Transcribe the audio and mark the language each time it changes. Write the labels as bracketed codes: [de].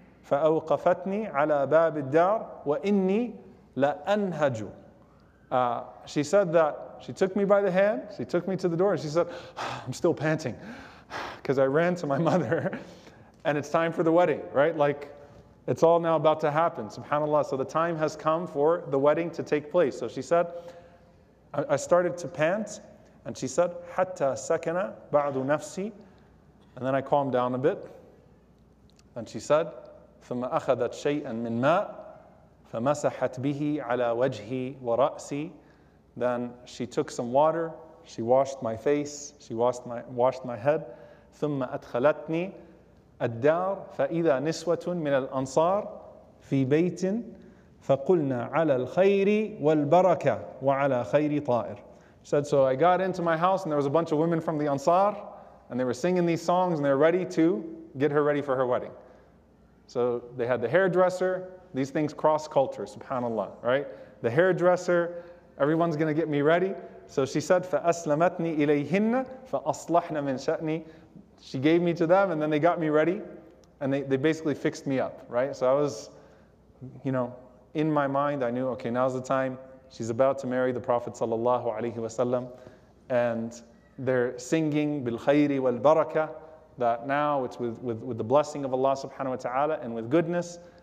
[ar] فأوقفتني على باب الدار وإني لأنهج. [en] She said that she took me by the hand, she took me to the door, and she said, I'm still panting because I ran to my mother and it's time for the wedding, right? Like, it's all now about to happen, subhanAllah. So the time has come for the wedding to take place. So she said, I started to pant, and she said, [ar] حَتَّى سَكَنَ بَعْضُ نَفْسِي. [en] And then I calmed down a bit. And she said, [ar] ثُمَّ أَخَذَتْ شَيْئًا مِنْ مَاءٍ فَمَسَحَتْ بِهِ عَلَى وَجْهِي وَرَأْسِي. [en] Then she took some water, she washed my face, she washed my head. [ar] ثُمَّ أَدْخَلَتْنِي الدار فإذا نسوة من الأنصار في بيت فقلنا على الخير والبركة وعلى خير طائر. [en] She said, so I got into my house and there was a bunch of women from the Ansar and they were singing these songs and they were ready to get her ready for her wedding. So they had the hairdresser. These things cross culture, subhanAllah, right? The hairdresser, everyone's going to get me ready. So she said, [ar] فأسلمتني إليهن فأصلحنا من شأني. [en] She gave me to them, and then they got me ready, and they basically fixed me up, right? So I was, you know, in my mind, I knew, okay, now's the time. She's about to marry the Prophet sallallahu alaihi wasallam, and they're singing bil khayri wal baraka, that now it's with the blessing of Allah subhanahu wa ta'ala and with goodness.